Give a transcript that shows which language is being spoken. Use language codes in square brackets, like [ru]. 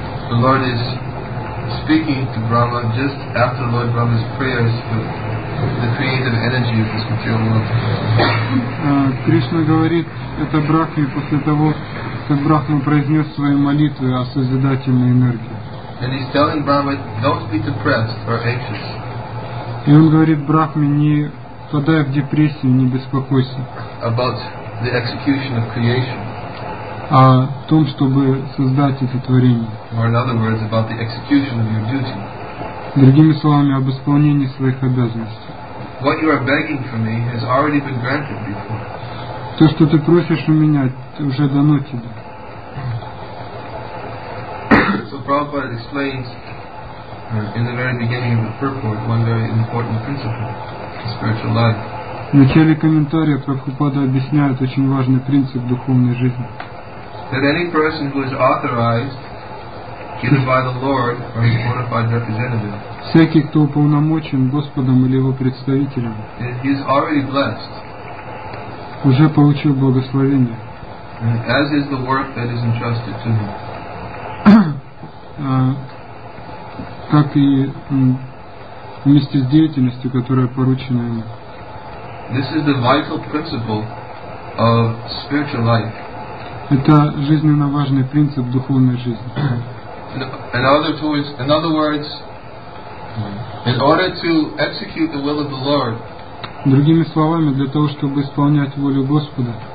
[en] The Lord is speaking to Brahma just after Lord Brahma's prayers with the creative energy of this material world. [ru] Кришна говорит это Брахме после того, как Брахма произнес свои молитвы о созидательной энергии. [en] And he's telling Brahma, don't be depressed or anxious. [ru] И он говорит Брахме, не впадай в депрессию, не беспокойся. [en] About the execution of creation. [ru] О том, чтобы создать это творение. [en] Or in other words, about the execution of your duty. [ru] Другими словами, об исполнении своих обязанностей. [en] What you are begging for me has already been granted before. [ru] То, что ты просишь у меня, уже дано тебе. [en] So Prabhupada explains in the very beginning of the purport one very important principle of spiritual life. [ru] В начале комментария Прабхупада объясняет очень важный принцип духовной жизни. [en] That any person who is authorized, either by the Lord or his bona fide representative, [ru] всякий, кто уполномочен Господом или его представителем, [en] is already blessed, [ru] уже получил благословение, [en] as is the work that is entrusted to him, [ru] как и вместе с деятельностью, которая поручена ему. [en] This is the vital principle of spiritual life. [ru] Это жизненно важный принцип духовной жизни. [en] In other words, in order to execute the will of the Lord, [ru] другими словами, для того, чтобы исполнять волю Господа,